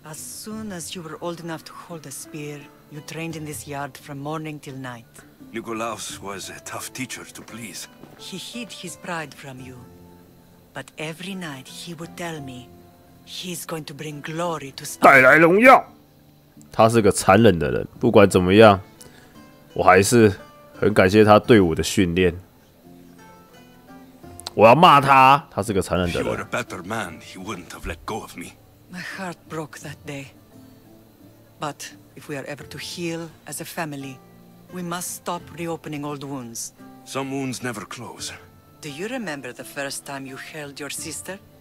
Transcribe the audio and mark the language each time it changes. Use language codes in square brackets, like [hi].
[en] As soon as you were old enough to hold a spear, you trained in this yard from morning till night. Nikolaus was a tough teacher to please. He hid his pride from you. But every night he would tell me he's going to bring glory to Sparta. [zh] 带来荣耀。他是个残忍的人，不管怎么样，我还是很感谢他对我的训练。我要骂他，他是个残忍的人。 [en] If he were a better man, he wouldn't have let go of me. My heart broke that day. But if we are ever to heal as a family,We must stop reopening old wounds. Some wounds never close. Do you remember the first time you held your sister?